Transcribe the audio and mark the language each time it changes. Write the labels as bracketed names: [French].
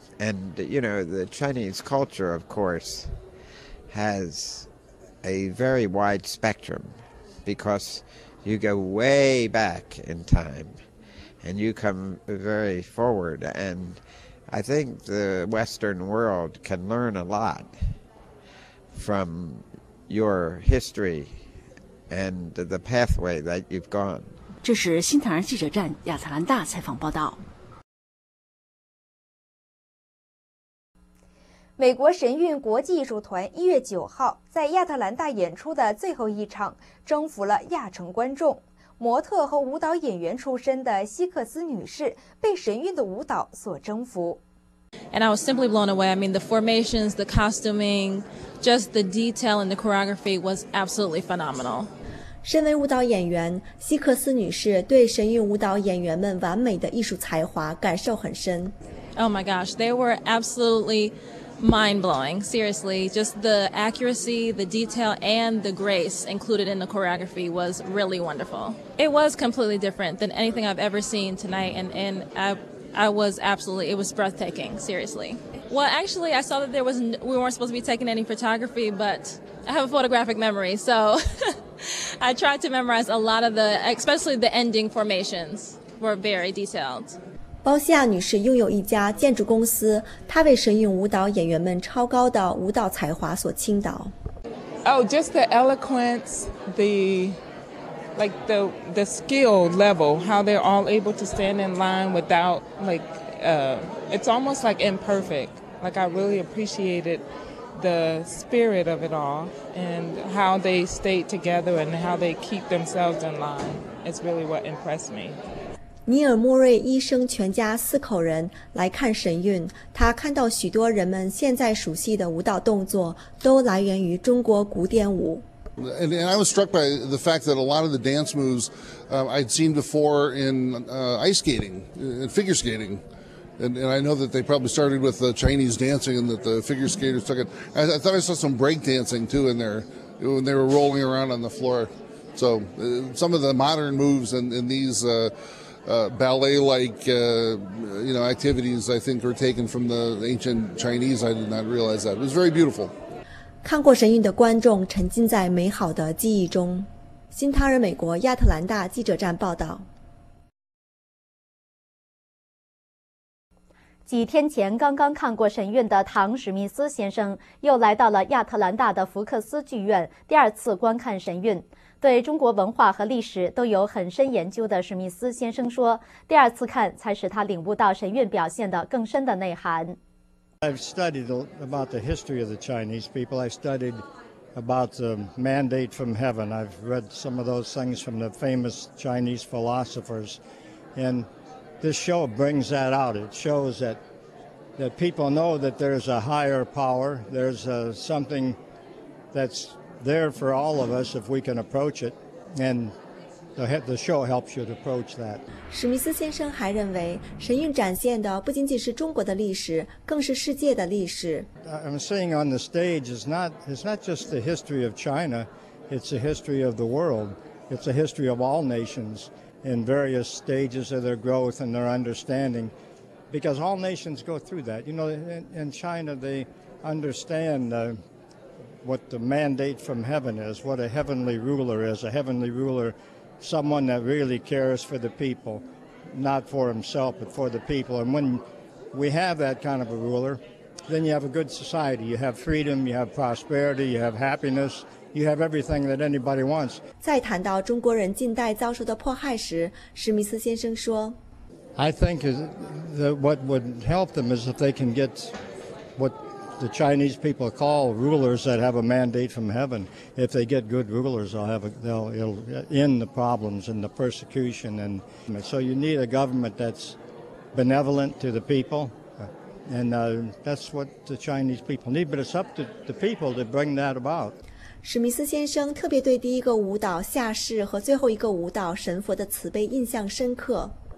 [English] And, you know, the Chinese culture, of course, has a very wide spectrum, because you go way back in time and you come very forward. And I think the Western world can learn a lot from your history and the pathway that you've gone. [Chinese] 这是新唐人记者站亚特兰大采访报道。美国神韵国际艺术团1月9号在亚特兰大演出的最后一场征服了亚城观众。模特和舞蹈演员出身的希克斯女士被神韵的舞蹈所征服。 [English] And I was simply blown away. I mean, the formations, the costuming, just the detail and the choreography was absolutely phenomenal. [Chinese] 身为舞蹈演员，希克斯女士对神韵舞蹈演员们完美的艺术才华感受很深。 [English] Oh my gosh, they were absolutely mind-blowing. Seriously, just the accuracy, the detail, and the grace included in the choreography was really wonderful. It was completely different than anything I've ever seen tonight, and I was absolutely, it was breathtaking, seriously. Well, actually, I saw that there was, we weren't supposed to be taking any photography, but I have a photographic memory, so I tried to memorize a lot of the, especially the ending formations were very detailed. [Chinese] 包西亚女士拥有一家建筑公司，她为神韵舞蹈演员们超高的舞蹈才华所倾倒。 [English] Oh, just the eloquence, the skill level, how they're all able to stand in line without, it's almost like imperfect. Like, I really appreciated the spirit of it all and how they stayed together and how they keep themselves in line. It's really what impressed me. [Chinese] 尼尔·莫瑞医生全家四口人来看神韵，他看到许多人们现在熟悉的舞蹈动作都来源于中国古典舞。 [English] And I was struck by the fact that a lot of the dance moves I'd seen before in ice skating, in figure skating. And I know that they probably started with the Chinese dancing and that the figure skaters took it. I thought I saw some break dancing too in there when they were rolling around on the floor. So some of the modern moves in these ballet-like activities, I think, are taken from the ancient Chinese. I did not realize that. It was very beautiful. [Chinese] 看过神韵的观众沉浸在美好的记忆中。新唐人美国亚特兰大记者站报道。几天前刚刚看过神韵的唐·史密斯先生又来到了亚特兰大的福克斯剧院第二次观看神韵。对中国文化和历史都有很深研究的史密斯先生说，第二次看才使他领悟到神韵表现的更深的内涵。 [English] I've studied about the history of the Chinese people. I've studied about the mandate from heaven. I've read some of those things from the famous Chinese philosophers. And this show brings that out. It shows that people know that there's a higher power. There's something that's there for all of us if we can approach it. And the show helps you to approach that. [Chinese] 史密斯先生还认为，神韵展现的不仅仅是中国的历史，更是世界的历史。 [English] I'm saying on the stage is not just the history of China, it's a history of the world. It's a history of all nations in various stages of their growth and their understanding, because all nations go through that. You know, in China they understand what the mandate from heaven is, what a heavenly ruler is, a heavenly ruler. Someone that really cares for the people, not for himself, but for the people. And when we have that kind of a ruler, then you have a good society. You have freedom, you have prosperity, you have happiness, you have everything that anybody wants. [Chinese] 在谈到中国人近代遭受的迫害时，史密斯先生说， [English] I think that what would help them is if they can get what the Chinese people call rulers that have a mandate from heaven. If they get good rulers, they'll end the problems and the persecution. And so you need a government that's benevolent to the people. And that's what the Chinese people need, but it's up to the people to bring that about. [Chinese] 史密斯先生特别对第一个舞蹈下士和最后一个舞蹈神佛的慈悲印象深刻。